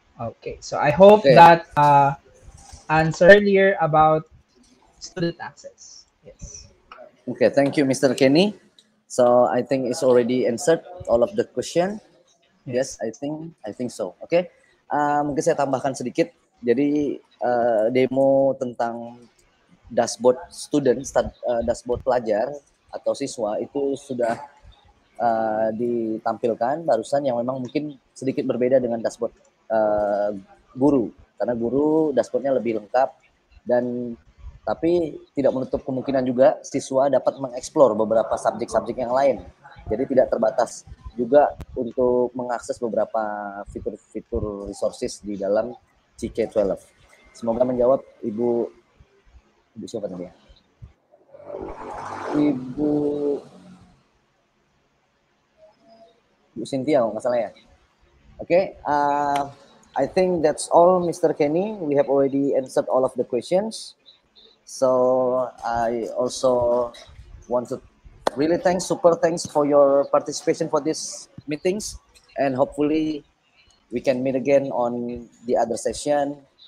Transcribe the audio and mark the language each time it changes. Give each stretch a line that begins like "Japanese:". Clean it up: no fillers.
English: Okay. So I hope that answer earlier about student access. Yes. Okay. Thank you, Mr. Kenny. So I think it's already answered all of the question. Yes. I think so. Okay.
Indonesian: Mungkin saya tambahkan sedikit. Jadi demo tentang dashboard student, dashboard pelajar atau siswa itu sudah ditampilkan barusan, yang memang mungkin sedikit berbeda dengan dashboard guru, karena guru dashboardnya lebih lengkap, dan tapi tidak menutup kemungkinan juga siswa dapat mengeksplor beberapa subjek-subjek yang lain. Jadi tidak terbatas juga untuk mengakses beberapa fitur-fitur resources di dalam CK12. Semoga menjawab Ibu siapa tadi ya? Ibu Cynthia, nggak salah ya?
English: Okay, I think that's all, Mr. Kenny. We have already answered all of the questions. So I also want to really thanks, super thanks for your participation for this meetings, and hopefully we can meet again on the other session.